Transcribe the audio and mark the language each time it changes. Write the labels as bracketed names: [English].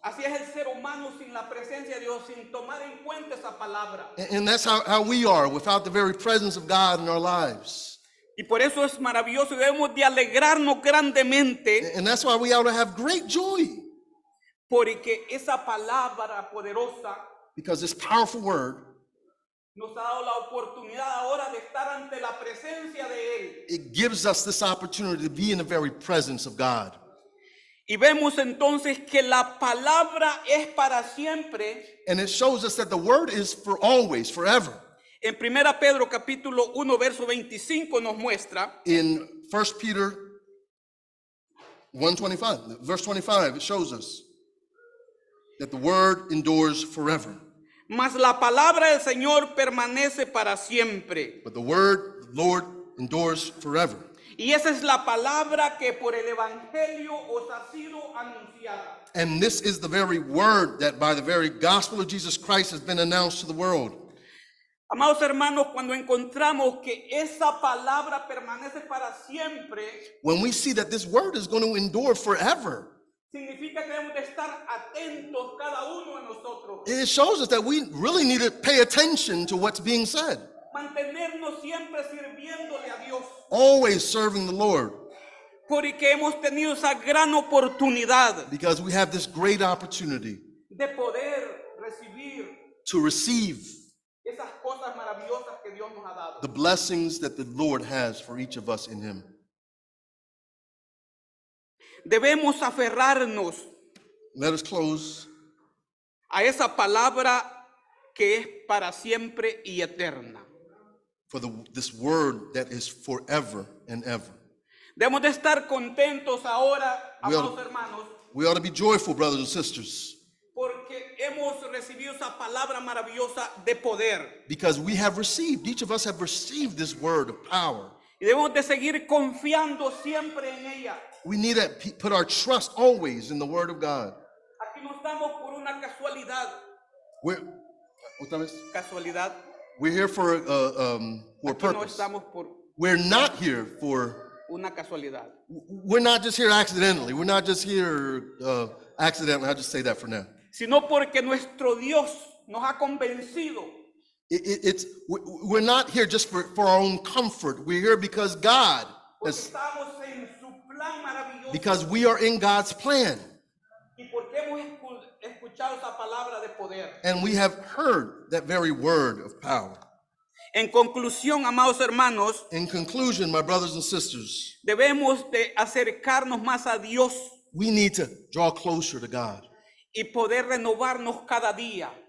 [Spanish] Así es el ser humano sin la presencia de Dios, sin tomar en cuenta esa palabra. [English] And that's how we are, without the very presence of God in our lives. [Spanish] Y por eso es maravilloso, debemos de alegrarnos grandemente. [English] And that's why we ought to have great joy. [Spanish] Porque esa palabra poderosa, [English] because this powerful word, [Spanish] nos ha dado la oportunidad ahora de estar ante la presencia de él. [English] It gives us this opportunity to be in the very presence of God. [Spanish] Y vemos entonces que la palabra es para siempre. [English] And it shows us that the word is for always, forever. [Spanish] En 1 Pedro capítulo 1 verso 25 nos muestra. [English] In 1 Peter 1:25, verse 25, it shows us that the word endures forever. [Spanish] Mas la palabra del Señor permanece para siempre. [English] But the word of the Lord endures forever. [Spanish] Y esa es la palabra que por el evangelio os ha sido anunciada. [English] And this is the very word that by the very gospel of Jesus Christ has been announced to the world. [Spanish] Amados hermanos, cuando encontramos que esa palabra permanece para siempre, [English] when we see that this word is going to endure forever, [Spanish] significa que debemos estar atentos cada uno de nosotros. [English] It shows us that we really need to pay attention to what's being said. [Spanish] Mantenernos siempre sirviéndole a Dios. [English] Always serving the Lord. [Spanish] Porque hemos tenido esa gran oportunidad. [English] Because we have this great opportunity. [Spanish] De poder recibir. [English] To receive. [Spanish] Esas cosas maravillosas que Dios nos ha dado. [English] The blessings that the Lord has for each of us in Him. [Spanish] Debemos aferrarnos. [English] Let us close. [Spanish] A esa palabra que es para siempre y eterna. [English] For this word that is forever and ever. [Spanish] Debemos de estar contentos ahora, amados hermanos. [English] We ought to be joyful, brothers and sisters. [Spanish] Porque hemos recibido esa palabra maravillosa de poder. [English] Because we have received, each of us have received this word of power. [Spanish] Y debemos de seguir confiando siempre en ella. [English] We need to put our trust always in the word of God. [Spanish] Aquí nos damos por una casualidad. Casualidad. [English] We're here for a purpose. [Spanish] No por, [English] we're not here for [Spanish] una casualidad. [English] We're not just here accidentally. We're not just here accidentally. I'll just say that for now. [Spanish] Sino porque nuestro Dios nos ha convencido. [English] We're not here just for our own comfort. We're here because God has, [Spanish] estamos en su plan maravilloso. [English] Because we are in God's plan. [Spanish] Y porque hemos escuchado esa palabra de poder. [English] And we have heard that very word of power. [Spanish] En conclusión, amados hermanos, [English] in conclusion, my brothers and sisters, [Spanish] debemos de acercarnos más a Dios. [English] We need to draw closer to God. [Spanish] Y poder renovarnos cada día.